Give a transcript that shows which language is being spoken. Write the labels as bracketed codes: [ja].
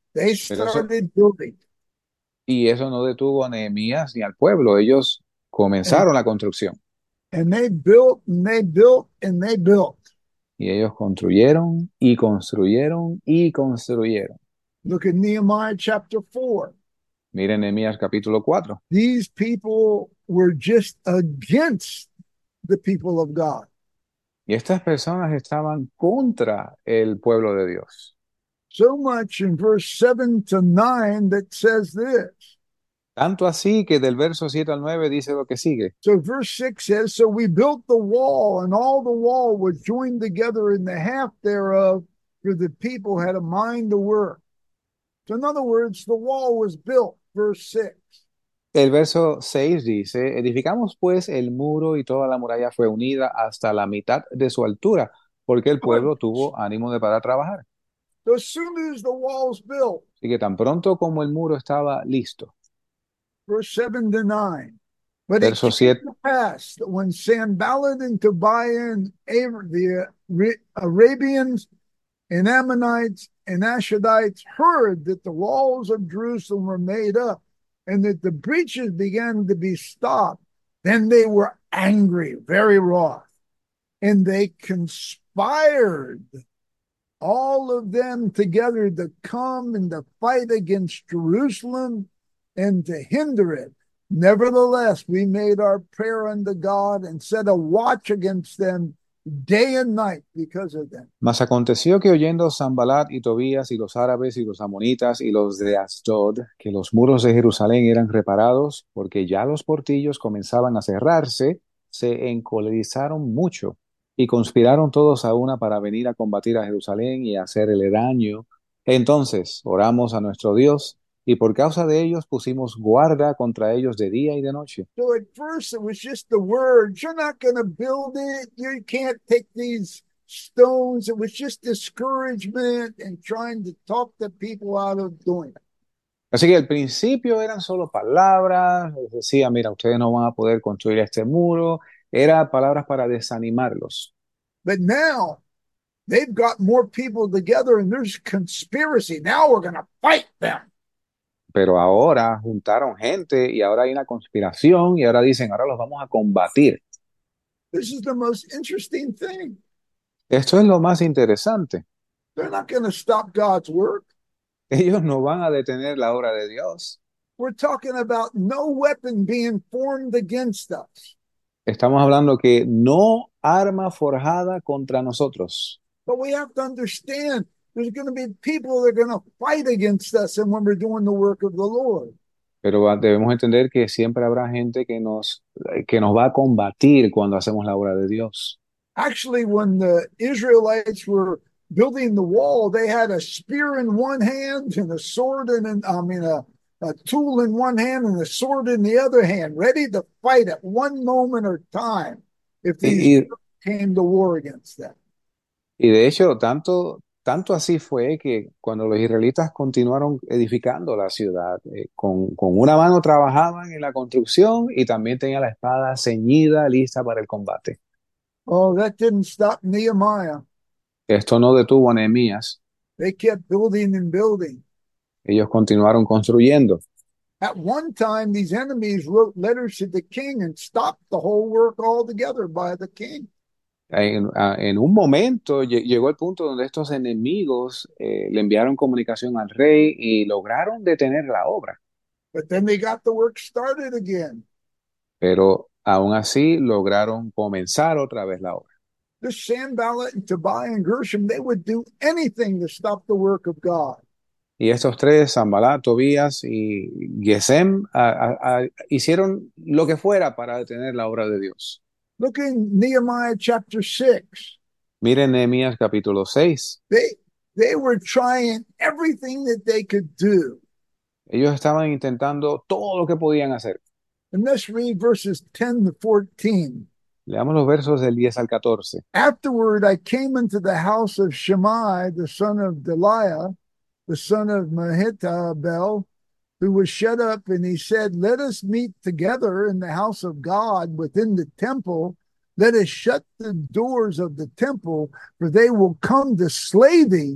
[en] They [es] Pero eso. [en] started building. [es] Y eso no detuvo a Nehemías ni al pueblo. Ellos comenzaron la construcción. [en] And they built and they built and they built. [es] Y ellos construyeron y construyeron y construyeron. [en] Look at Nehemiah chapter 4. [es] Miren Nehemías capítulo 4. [en] These people were just against the people of God. [es] Y estas personas estaban contra el pueblo de Dios. [en] So much in verse 7 to 9 that says this. [es] Tanto así que del verso 7 al 9 dice lo que sigue. [en] So verse 6 says, "So we built the wall, and all the wall was joined together in the half thereof, for the people had a mind to work." So in other words, the wall was built, verse 6. [es] El verso 6 dice: Edificamos pues el muro y toda la muralla fue unida hasta la mitad de su altura, porque el pueblo tuvo ánimo de parar a trabajar. [en] So as soon as the wall's built, [es] Así que tan pronto como el muro estaba listo. [en] verse 7 to 9, but it [es] Verso [en] came [es] 7. [en] to pass that when Sanballat and Tobiah and the Arabians and Ammonites and Ashdodites heard that the walls of Jerusalem were made up and that the breaches began to be stopped, then they were angry, very wroth, and they conspired, all of them together, to come and to fight against Jerusalem and to hinder it. Nevertheless, we made our prayer unto God and set a watch against them day and night because of them. [es] Mas aconteció que oyendo Sanbalat y Tobías y los árabes y los amonitas y los de Asdod que los muros de Jerusalén eran reparados, porque ya los portillos comenzaban a cerrarse, se encolerizaron mucho y conspiraron todos a una para venir a combatir a Jerusalén y hacerle daño. Entonces oramos a nuestro Dios y por causa de ellos pusimos guarda contra ellos de día y de noche. [en] So at first it was just the words. You're not going to build it. You can't take these stones. It was just discouragement and trying to talk the people out of doing it. [es] Así que al principio eran solo palabras, les decía, mira, ustedes no van a poder construir este muro, eran palabras para desanimarlos. [en] But now they've got more people together and there's conspiracy. Now we're going to fight them. [es] Pero ahora juntaron gente y ahora hay una conspiración y ahora dicen, ahora los vamos a combatir. [en] This is the most interesting thing. [es] Esto es lo más interesante. [en] They're not going to stop God's work. [es] Ellos no van a detener la obra de Dios. [en] We're talking about no weapon being formed against us. [es] Estamos hablando que no arma forjada contra nosotros. [en] But we have to understand there's going to be people that are going to fight against us and when we're doing the work of the Lord. [es] Pero debemos entender que siempre habrá gente que nos va a combatir cuando hacemos la obra de Dios. [en] Actually, when the Israelites were building the wall, they had a spear in one hand and a sword in an, I mean a tool in one hand and a sword in the other hand, ready to fight at one moment or time if these [es] Y [en] people came to war against them. [es] de hecho, tanto Tanto así fue que cuando los israelitas continuaron edificando la ciudad, con una mano trabajaban en la construcción y también tenían la espada ceñida, lista para el combate. [en] Oh, that didn't stop Nehemiah. [es] Esto no detuvo a Nehemías. [en] They kept building and building. [es] Ellos continuaron construyendo. [en] At one time, these enemies wrote letters to the king and stopped the whole work altogether by the king. [es] En un momento llegó el punto donde estos enemigos le enviaron comunicación al rey y lograron detener la obra. [en] But then they got the work started again. [es] Pero aún así lograron comenzar otra vez la obra. [en] This Sanballat and Tobiah and Gershom, they would do anything to stop the work of God. [es] Y estos tres, Sanbalat, Tobías y Gesem, hicieron lo que fuera para detener la obra de Dios. [en] Look in Nehemiah chapter 6. [es] Miren Nehemías capítulo 6. [en] They were trying everything that they could do. [es] Ellos estaban intentando todo lo que podían hacer. [en] And let's read verses 10 to 14. [es] Leamos los versos del 10 al 14. [en] Afterward, I came into the house of Shammai, the son of Delaiah, the son of Mehetabel, who was shut up, and he said, "Let us meet together in the house of God within the temple. Let us shut the doors of the temple, for they will come to slay thee.